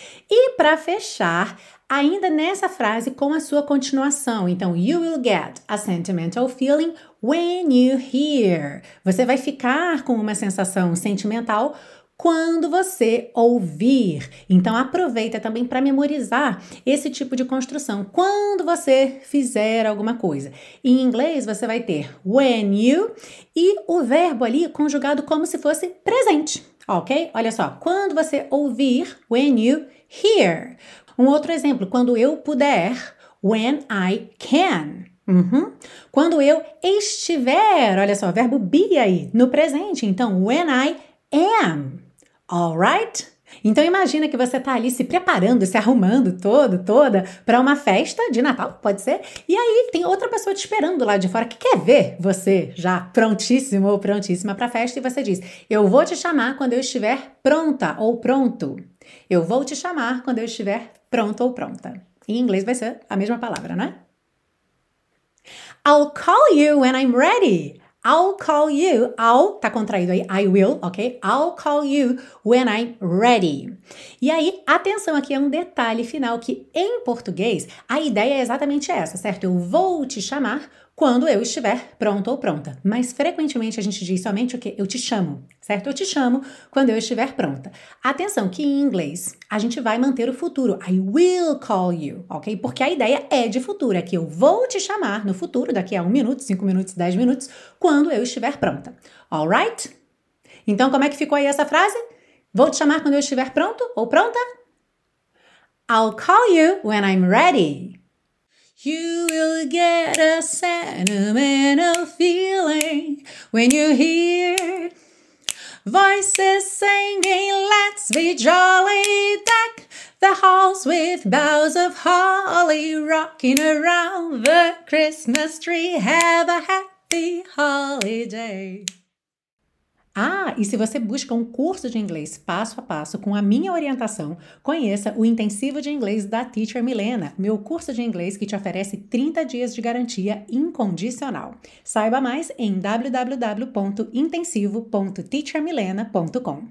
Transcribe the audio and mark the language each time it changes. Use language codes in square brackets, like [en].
[pt] E para fechar, ainda nessa frase com a sua continuação. [en] Então, you will get a sentimental feeling when you hear. [pt] Você vai ficar com uma sensação sentimental quando você ouvir. Então, aproveita também para memorizar esse tipo de construção. Quando você fizer alguma coisa. Em inglês, você vai ter [en] when you [pt] e o verbo ali conjugado como se fosse presente. Ok? Olha só. Quando você ouvir, [en] when you hear. [pt] Um outro exemplo, quando eu puder, [en] when I can. [pt] Uhum. Quando eu estiver, olha só, verbo be aí, no presente. [en] Então, when I am. All right? [pt] Então, imagina que você está ali se preparando, se arrumando todo, toda, para uma festa de Natal, pode ser. E aí, tem outra pessoa te esperando lá de fora que quer ver você já prontíssimo ou prontíssima para a festa. E você diz, eu vou te chamar quando eu estiver pronta ou pronto. Eu vou te chamar quando eu estiver pronto ou pronta. Em inglês vai ser a mesma palavra, né? [en] I'll call you when I'm ready. I'll call you. I'll, [pt] tá contraído aí. [en] I will, ok? I'll call you when I'm ready. [pt] E aí, atenção aqui, é um detalhe final que em português a ideia é exatamente essa, certo? Eu vou te chamar quando eu estiver pronto ou pronta. Mas frequentemente a gente diz somente o quê? Eu te chamo, certo? Eu te chamo quando eu estiver pronta. Atenção que em inglês a gente vai manter o futuro. [en] I will call you, ok? [pt] Porque a ideia é de futuro. É que eu vou te chamar no futuro, daqui a 1 minuto, 5 minutos, 10 minutos, quando eu estiver pronta. [en] All right? [pt] Então, como é que ficou aí essa frase? Vou te chamar quando eu estiver pronto ou pronta? [en] I'll call you when I'm ready. You will get a sentimental feeling when you hear voices singing, let's be jolly, deck the halls with boughs of holly, rocking around the Christmas tree, have a happy holiday. [pt] Ah, e se você busca um curso de inglês passo a passo com a minha orientação, conheça o Intensivo de Inglês da Teacher Milena, meu curso de inglês que te oferece 30 dias de garantia incondicional. Saiba mais em www.intensivo.teachermilena.com.